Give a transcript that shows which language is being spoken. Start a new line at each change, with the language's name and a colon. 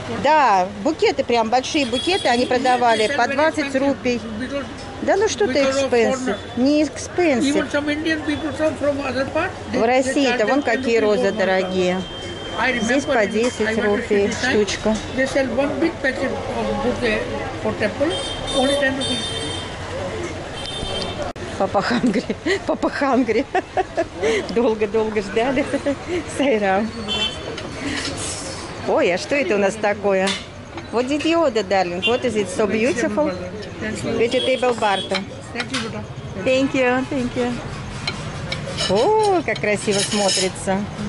Russian: Да, букеты, прям большие букеты, они продавали по 20 рупий. Да ну что ты expensive? Не expensive.
English: Even some Indian people sell from other parts.
Russian: В России-то вон какие розы дорогие. Здесь по 10 рупий штучка.
English: They sell one big packet of bouquet for temple, only 10 rupees.
Russian: Папа хангри, папа хангри. Долго-долго ждали. Сейра. Ой, а что это у нас такое?
English: What did you order, darling? What is it? So beautiful. Vegetable barter. Thank you, Buddha. Thank you, thank you.
Russian: О, как красиво смотрится.